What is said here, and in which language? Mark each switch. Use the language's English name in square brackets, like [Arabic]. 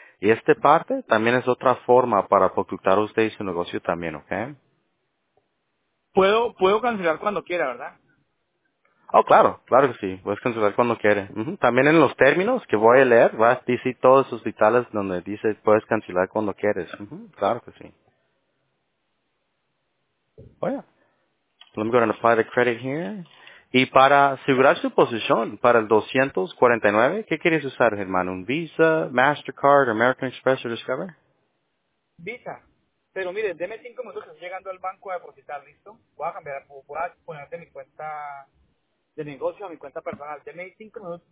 [Spanish] Y esta parte también es otra forma para facturar usted y su negocio también, ¿ok? Puedo cancelar cuando quiera, ¿verdad? Oh, claro que sí, puedes cancelar cuando quiera. Uh-huh. También en los términos que voy a leer, va a decir todos esos vitales donde dice puedes cancelar cuando quieres. Uh-huh. Claro que sí. Oye. Oh, yeah. [English] Let me go and apply the credit here. [Spanish] Y para asegurar su posición para el 249, ¿qué quieres usar, hermano? ¿Un Visa, MasterCard, American Express or Discover? Visa. Pero mire, deme 5 minutos que estoy llegando al banco a depositar, ¿listo? Voy a ponerte mi cuenta de negocio a mi cuenta personal. Deme 5 minutos.